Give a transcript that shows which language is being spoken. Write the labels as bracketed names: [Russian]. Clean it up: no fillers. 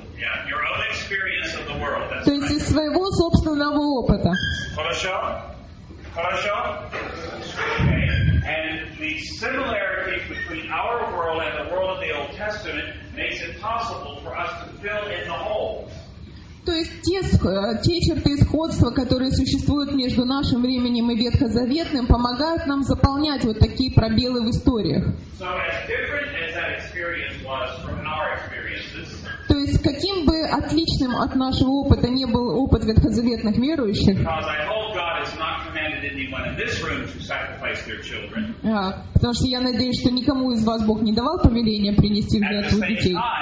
[English] Yeah, your own experience of the world. That's [Russian] То есть из своего собственного опыта. Хорошо? Хорошо? Okay. [English] And the similarity between our world and the world of the Old Testament makes it possible for us to fill in the holes. [Russian] То есть те черты сходства, которые существуют между нашим временем и ветхозаветным, помогают нам заполнять вот такие пробелы в историях. [English] So as different as that experience was from our experiences, [Russian] то есть каким бы отличным от нашего опыта не был опыт ветхозаветных верующих, потому что я надеюсь, что никому из вас Бог не давал повеления принести в жертву детей.